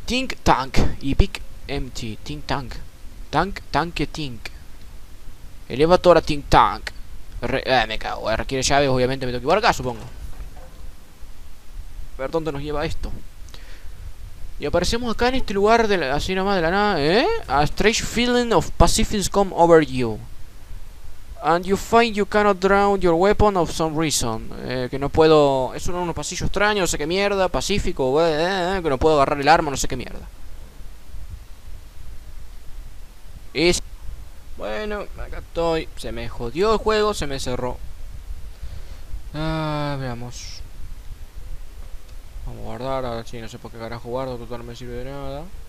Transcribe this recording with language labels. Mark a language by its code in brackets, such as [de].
[es] Think Tank y Big Empty. Think Tank. Tank, tanque, Tink. Elevatora Think Tank. Me cago. Requiere llave. Obviamente me tengo que ir por acá, supongo. A ver dónde nos lleva esto. Y aparecemos acá en este lugar de la, así nomás de la nada, ¿eh? [en] A strange feeling of pacifism come over you. And you find you cannot draw your weapon of some reason. [es] Que no puedo. Es uno de unos pasillos extraños, no sé qué mierda. Pacífico, que no puedo agarrar el arma, no sé qué mierda. Es. Bueno, acá estoy. Se me jodió el juego, se me cerró. Ah, veamos. Vamos a guardar, a ver si no sé por qué carajo guardo, total no me sirve de nada.